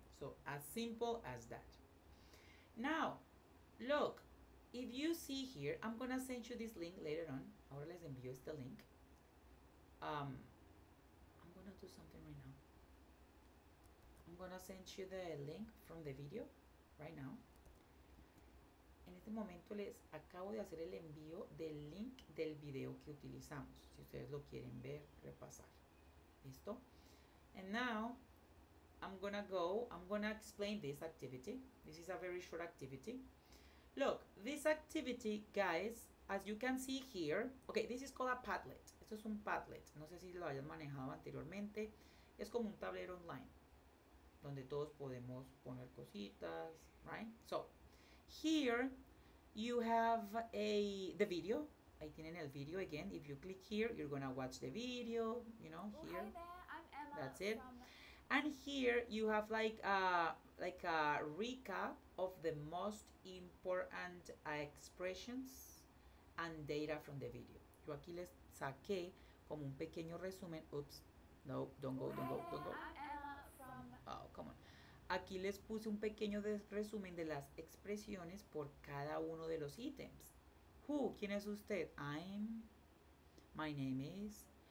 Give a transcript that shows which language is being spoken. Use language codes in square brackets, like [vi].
[en] So, as simple as that. Now, look, if you see here, I'm going to send you this link later on. [es] Ahora les envío este link. [en] Gonna do something right now. I'm gonna send you the link from the video right now. [es] En este momento les acabo de hacer el envío del link del video que utilizamos. Si ustedes lo quieren ver, repasar. ¿Listo? [en] And now I'm gonna explain this activity. This is a very short activity. Look, this activity, guys, as you can see here, okay, this is called a Padlet. [es] Esto es un Padlet. No sé si lo hayan manejado anteriormente. Es como un tablero online donde todos podemos poner cositas, right? [en] So, here, You have the video. [es] Ahí tienen el video [en] again. If you click here, you're gonna watch the video, you know, here. Oh, hi there, I'm Emma. That's it. And here you have like a recap of the most important expressions and data from the video. [es] Yo aquí les saqué como un pequeño resumen. [en] Oops. No, don't go. I'm Emma from... Oh, come on. [es] Aquí les puse un pequeño resumen de las expresiones por cada uno de los ítems. [en] Who? [es] ¿Quién es usted? [en] I'm. My name is.